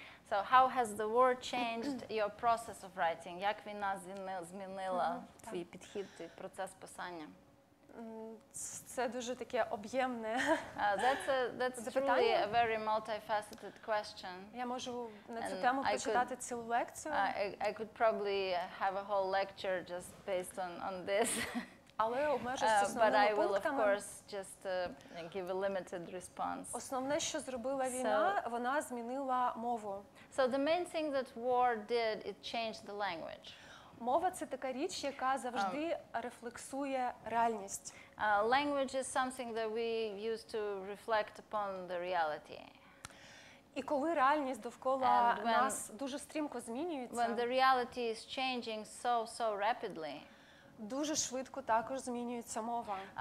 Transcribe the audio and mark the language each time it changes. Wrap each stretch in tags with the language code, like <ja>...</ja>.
<en>So how has the war changed your process of writing?</en> <uk>Як війна змінила твій підхід, твій процес писання? Це дуже таке об'ємне.</uk> <en>That's truly a very multifaceted question.</en> <uk>Я можу на цю тему прочитати цілу лекцію.</uk> <en>I could probably have a whole lecture just based on this.</en> <uk>Але обмежуся основними пунктами.</uk> <en>But I will, of course, just give a limited response.</en> <uk>Основне, що зробила війна, вона змінила мову.</uk> <en>So the main thing that war did, it changed the language.</en> <uk>Мова – це така річ, яка завжди рефлексує реальність.</uk> <en>Language is something that we use to reflect upon the reality.</en> <uk>І коли реальність довкола нас дуже стрімко змінюється,</uk> <en>when the reality is changing so rapidly,</en> <uk>дуже швидко також змінюється мова.</uk>